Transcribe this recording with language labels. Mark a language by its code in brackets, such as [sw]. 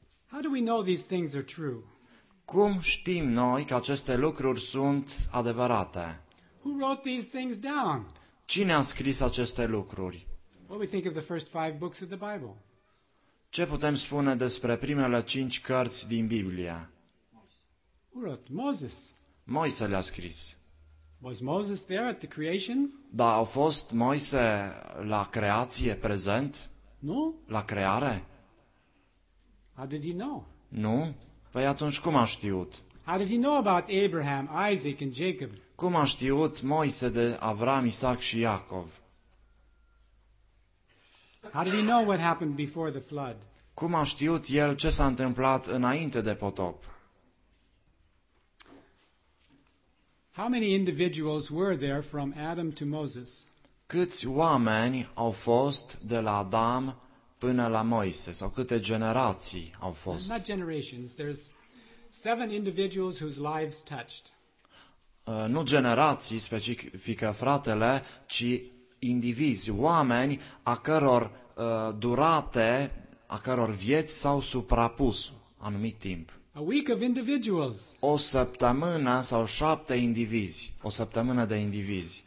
[en] How do we know these things are true? [ro] Cum știm noi că aceste lucruri sunt adevărate? [en] Who wrote these things down? [ro] Cine a scris aceste lucruri? [en] What do we think of the first five books of the Bible? [ro] Ce putem spune despre primele cinci cărți din Biblie? [en] Who wrote? Moses. [ro] Moise le-a scris. [en] Was Moses there at the creation? [ro] Da, a fost Moise la creație prezent? Nu? La creare? [en] How did he know? [ro] Nu? Păi atunci cum a știut? [en] How did he know about Abraham, Isaac and Jacob? [ro] Cum a știut Moise de Avram, Isaac și Iacov? [en] How did he know what happened before the flood? [ro] Cum a știut el ce s-a întâmplat înainte de potop? [en] How many individuals were there from Adam to Moses? [ro] Câți oameni au fost de la Adam până la Moise, sau câte generații au fost? [en] Not generations, there's seven individuals whose lives touched. [ro] Nu generații specifică fratele, ci indivizi, oameni a căror durate, a căror vieți s-au suprapus anumit timp. [en] A week of individuals. [ro] O săptămână sau șapte indivizi, o săptămână de indivizi.